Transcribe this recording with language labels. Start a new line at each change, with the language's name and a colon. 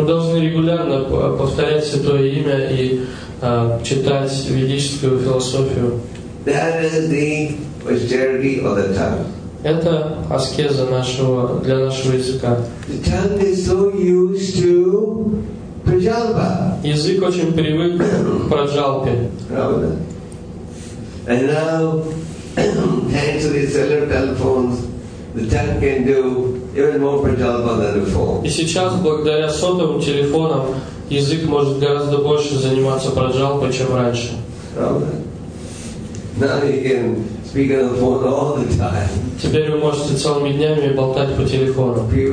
Russian: Мы должны регулярно повторять Святое Имя и читать ведическую философию.
English: That is the austerity of the tongue.
Russian: Это аскеза нашего, для нашего языка.
English: The tongue is so used to prajalpa.
Russian: Язык очень привык к праджалпе. Правда?
English: And now, thanks to these cellular telephones, the tongue can do even more prajalpa than before.
Russian: И сейчас, благодаря сотовым телефонам, язык может гораздо больше заниматься праджалпой, чем раньше. Правда?
English: Now you can speak on the phone all the time.
Russian: Теперь вы можете целыми днями болтать по телефону.